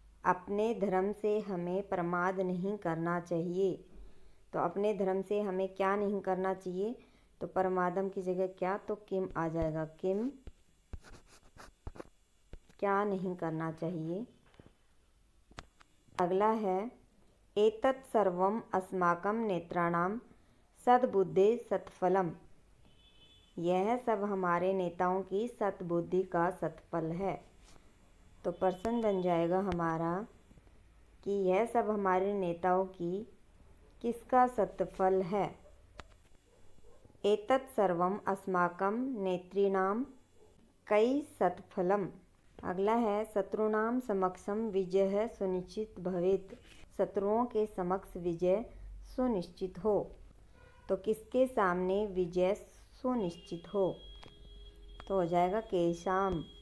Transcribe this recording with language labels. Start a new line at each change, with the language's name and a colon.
Hindi: अपने धर्म से हमें प्रमाद नहीं करना चाहिए। तो अपने धर्म से हमें क्या नहीं करना चाहिए, तो परमादम की जगह क्या, तो किम आ जाएगा। किम, क्या नहीं करना चाहिए। अगला है
Sanskrit: एतत् सर्वम् अस्माकं नेत्राणां सद्बुद्धे सत्फलम्।
Hindi: यह सब हमारे नेताओं की सद्बुद्धि का सत्फल है। तो प्रश्न बन जाएगा हमारा कि यह सब हमारे नेताओं की किसका सत्फल है।
Sanskrit: एतत् सर्वम् अस्माकं नेतृणां कई सत्फलम्।
Hindi: अगला है
Sanskrit: शत्रुणां समक्षम विजय सुनिश्चित भवेत्।
Hindi: शत्रुओं के समक्ष विजय सुनिश्चित हो। तो किसके सामने विजय सुनिश्चित हो, तो हो जाएगा केषां।